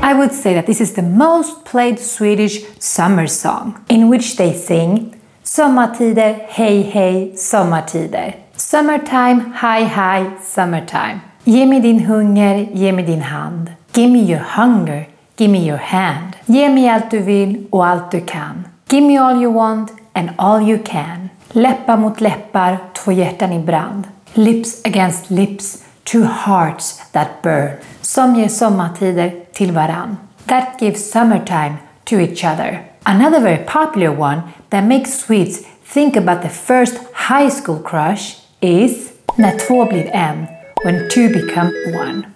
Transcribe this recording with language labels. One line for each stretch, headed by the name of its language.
English: I would say that this is the most played Swedish summer song, in which they sing
Swedish: Sommartider, hej hej, sommartider.
English: Summertime, hi hi, summertime.
Swedish: Ge mig din hunger, ge mig din hand.
English: Give me your hunger, give me your hand.
Swedish: Ge mig allt du vill och allt du kan.
English: Give me all you want and all you can.
Swedish: Läppar mot läppar, två hjärtan i brand.
English: Lips against lips, two hearts that burn.
Swedish: Som ger sommartider till varann.
English: That gives summertime to each other. Another very popular one that makes Swedes think about the first high school crush is När två blir en, when two become one.